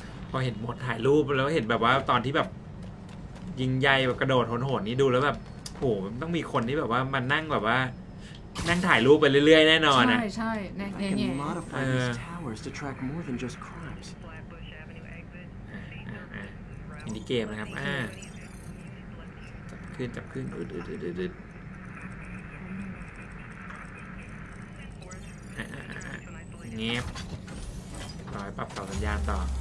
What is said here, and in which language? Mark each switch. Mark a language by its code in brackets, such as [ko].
[th] พอเห็นหมดถ่ายรูปแล้วเห็นแบบว่าตอนที่แบบยิงใหญ่แบบกระโดดโหดๆนี่ดูแล้วแบบโหต้องมีคนที่แบบว่ามันนั่งแบบว่านั่งถ่ายรูปไปเรื่อยๆแน่นอนนะ ใช่ใช่แน่ๆเนี่ย เออ [en] Modify these towers to track more than just crimes [th] อินดี้เกมนะครับจับขึ้นจับขึ้นอึดๆๆๆเงียบรอปรับต่อสัญญาณต่อ